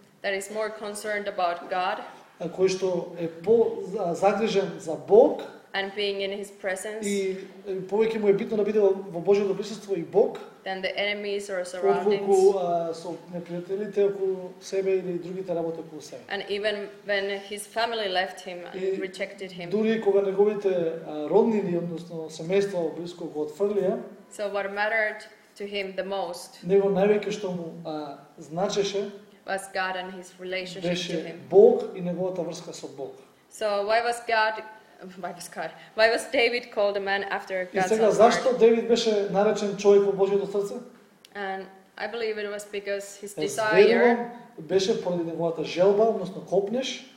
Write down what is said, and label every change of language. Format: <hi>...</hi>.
<en>That is more concerned about God.</en> <mk>Кој што е по загрижен за Бог.</mk> <en>And being in his presence.</en> <mk>И повеќе му е битно да биде во Божјото присуство и Бог.</mk> <en>Than the enemies or surroundings.</en> <mk>Со непријателите околу себе или другите работи околу себе.</mk> <en>And even when his family left him and rejected him.</en> <mk>Дури кога неговите роднини, односно семејство блиско го отфрлија.</mk> <en>So what mattered to him the most.</en> <mk>Него највеќе што му значеше.</mk> <en>Was God and his relationship to him.</en> <mk>Беше Бог и неговата врска со Бог.</mk> <en>So why was God? Why was David called a man after God's heart?</en> <mk>И сега зашто Давид беше наречен човек во Божјото срце?</mk> <en>And I believe it was because his desire</en> <mk>беше поради неговата желба, односно копнеш,</mk>